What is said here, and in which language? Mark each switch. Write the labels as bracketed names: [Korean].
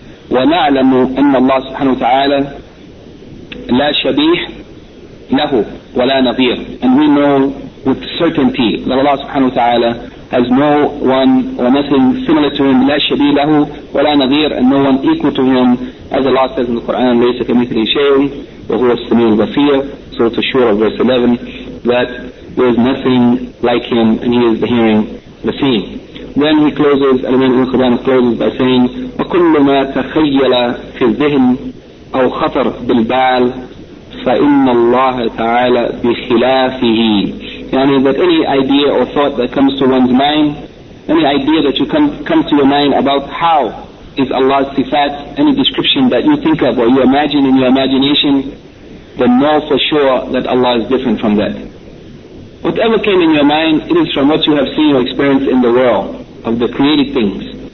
[Arabic] وَنَعْلَمُ أَنَّ اللَّهَ سُبْحَانَهُ وَتَعَالَى لَا شَبِيحَ لَهُ وَلَا نَظِيرَ, [English] and we know with certainty that Allah subhanahu wa ta'ala has no one or nothing similar to him, [Arabic] لا شبيه له ولا نظير, [English] and no one equal to him. As Allah says in the Quran, [Arabic] ليس كمثله شيء وهو السميع البصير, [English] Surah Ash-Shura verse 11, that there is nothing like him and he is the hearing, the seeing. Then he closes, Al-Imam Ibn Qudamah closes by saying, [Arabic] وكل ما تخيل في الذهن أو خطر بالبال فإن الله تعالى بخلافه. [English] يعني that any idea or thought that comes to one's mind, any idea that you come to your mind about how is Allah's sifat, any description that you think of or you imagine in your imagination, then know for sure that Allah is different from that. Whatever came in your mind, it is from what you have seen or experienced in the world of the created things.